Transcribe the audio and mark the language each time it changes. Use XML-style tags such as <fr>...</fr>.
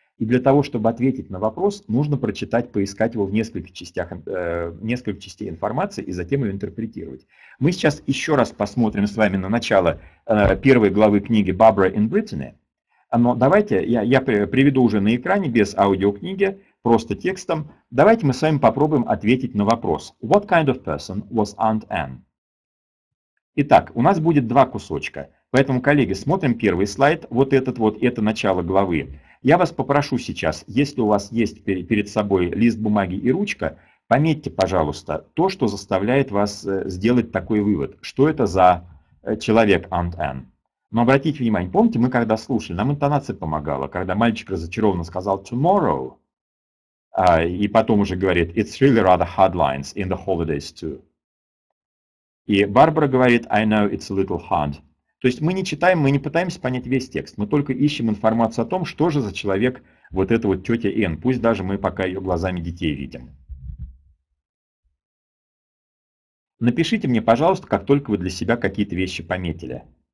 <ru>И для того, чтобы ответить на вопрос, нужно прочитать, поискать его в нескольких частях, нескольких частей информации и затем ее интерпретировать. Мы сейчас еще раз посмотрим с вами на начало первой главы книги «Barbara in Brittany». Но давайте, я приведу уже на экране без аудиокниги, просто текстом. Давайте мы с вами попробуем ответить на вопрос.</ru> <en>What kind of person was Aunt Anne?</en> <ru>Итак, у нас будет два кусочка. Поэтому, коллеги, смотрим первый слайд, вот этот вот, это начало главы. Я вас попрошу сейчас, если у вас есть перед собой лист бумаги и ручка, пометьте, пожалуйста, то, что заставляет вас сделать такой вывод. Что это за человек Aunt Anne? Но обратите внимание, помните, мы когда слушали, нам интонация помогала, когда мальчик разочарованно сказал</ru> <en>tomorrow,</en> <ru>и потом уже говорит</ru> <en>it's really rather hard lines in the holidays too.</en> <ru>И Барбара говорит</ru> <en>I know it's a little hard.</en> <ru>То есть мы не читаем, мы не пытаемся понять весь текст, мы только ищем информацию о том, что же за человек вот эта вот тетя Энн, пусть даже мы пока ее глазами детей видим. Напишите мне, пожалуйста, как только вы для себя какие-то вещи пометили.</ru>